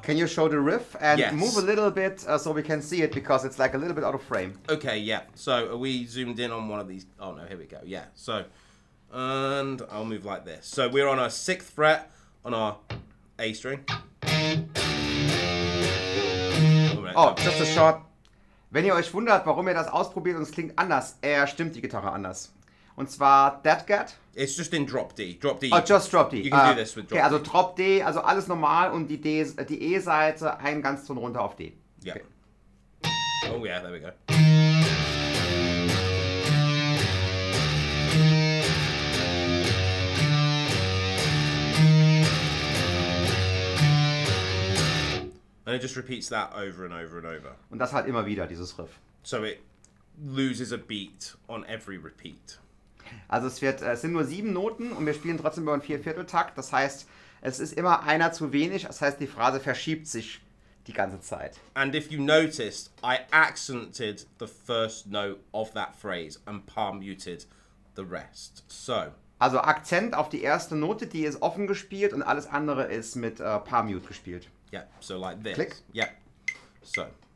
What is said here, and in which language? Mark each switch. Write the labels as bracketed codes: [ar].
[en] Can you show the riff and move a little bit so we can see it because it's like a little bit out of frame. Okay, yeah. So are we zoomed in on one of these? Oh no, here we go. Yeah. So, and I'll move like this. So we're on our 6th fret on our A string. Oh, just a short. [de] Wenn ihr euch wundert, warum ihr das ausprobiert und es klingt anders, er stimmt die Gitarre anders. Und zwar Dead Cat. [en] It's just in Drop D. Drop D. Oh, just Drop D. You can do this with Drop [de] D. Okay, also Drop D, also alles normal und die E-Seite einen ganzen Ton runter auf D. [en] Yeah. Okay. Oh yeah, there we go. And it just repeats that over and over and over. [de] Und das halt immer wieder, dieses Riff. [en] So it loses a beat on every repeat. [de] Also es sind nur 7 Noten und wir spielen trotzdem über einen 4/4-Takt. Das heißt, es ist immer einer zu wenig. Das heißt, die Phrase verschiebt sich die ganze Zeit. [en] And if you noticed, I accented the first note of that phrase and palm muted the rest. So. [de] Also Akzent auf die erste Note, die ist offen gespielt und alles andere ist mit palm mute gespielt. [en] Yeah, so like this. Click. Yeah. So.